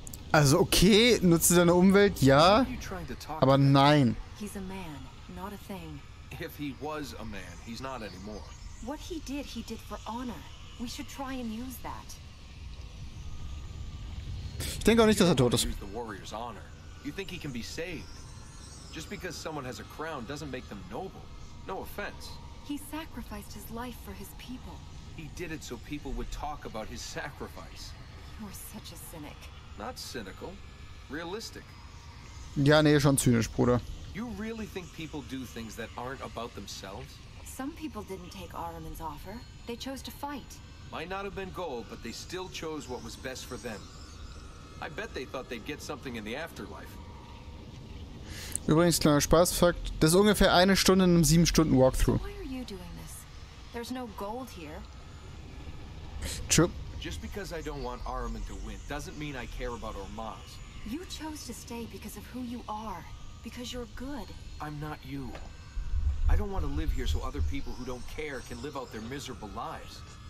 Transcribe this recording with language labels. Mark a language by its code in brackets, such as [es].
[de] Also okay, nutze deine Umwelt, ja, aber nein. [en] He's a man, not a thing. If he was a man, he's not anymore. What he did for honor. We should try and use that. [de] Ich denke auch nicht, dass er tot ist. [en] You think he can be saved? Just because someone has a crown doesn't make them noble. No offense. He sacrificed his life for his people. He did it so people would talk about his sacrifice. You're such a cynic. Not cynical, realistic. [de] Ja, nee, schon zynisch, Bruder. [en] You really think people do things that aren't about themselves? Some people didn't take Ahriman's offer. They chose to fight. Might not have been gold, but they still chose what was best for them. I bet they thought they'd get something in the afterlife. [de] Übrigens, kleiner Spaßfakt, das ist ungefähr eine Stunde in einem 7-Stunden Walkthrough. [en] Why are you doing this? There's no gold here. True. Just because I don't want Ahriman to win doesn't mean I care about Ormaz. You chose to stay because of who you are, because you're good. I'm not you. I don't want to live here so other people who don't care can live out their miserable lives.